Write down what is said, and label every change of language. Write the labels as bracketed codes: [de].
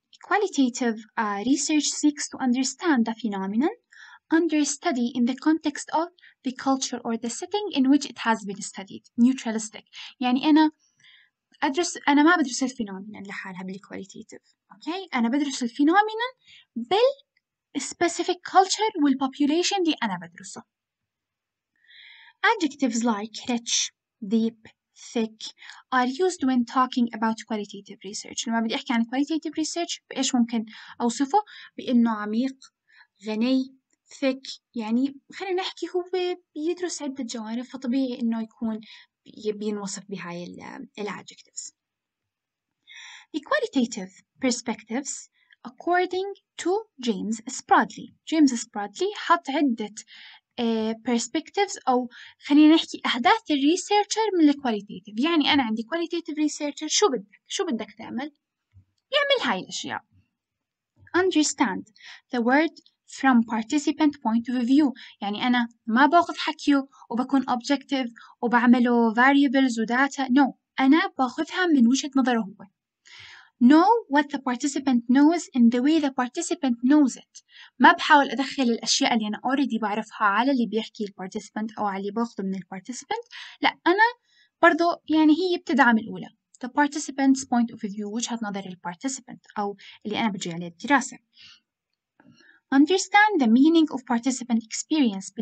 [en] Qualitative research seeks to understand the phenomenon under study in the context of the culture or the setting in which it has been studied. Neutralistic. [ar] يعني أنا ما بدرس الفينومينن لحالها بالqualitative. [en] Okay. [ar] أنا بدرس الفينومينن بالspecific culture والpopulation دي أنا بدرسه. [en] Adjectives like rich, deep, thick are used when talking about qualitative research. [ar] لما بدي أحكي عن qualitative research بإيش ممكن أوصفه؟ بإنه عميق، غني، thick. يعني خلينا نحكي هو بيدرس عدة جوانب فطبيعي إنه يكون بينوصف بهاي الـ adjectives. [en] The qualitative perspectives according to James Spradley. [ar] James Spradley حط عدة perspectives أو خلينا نحكي أهداف الريسيرشر من الكواليتيتيف. يعني أنا عندي كواليتيتيف ريسيرشر، شو بدك تعمل؟ يعمل هاي الأشياء. [en] Understand the world from participant point of view. [ar] يعني أنا ما باخذ حكيه وبكون objective وبعمله variables وdata. No. أنا باخذها من وجهة نظره هو. [en] Know what the participant knows in the way the participant knows it. [ar] ما بحاول أدخل الأشياء اللي أنا already بعرفها على اللي بيحكي الparticipant أو على اللي باخذه من الparticipant. لا، أنا برضو يعني هي بتدعم الأولى. [en] The participant's point of view، [ar] وجهة نظر الparticipant أو اللي أنا بجي عليه الدراسة. [en] Understand the meaning of participant experience.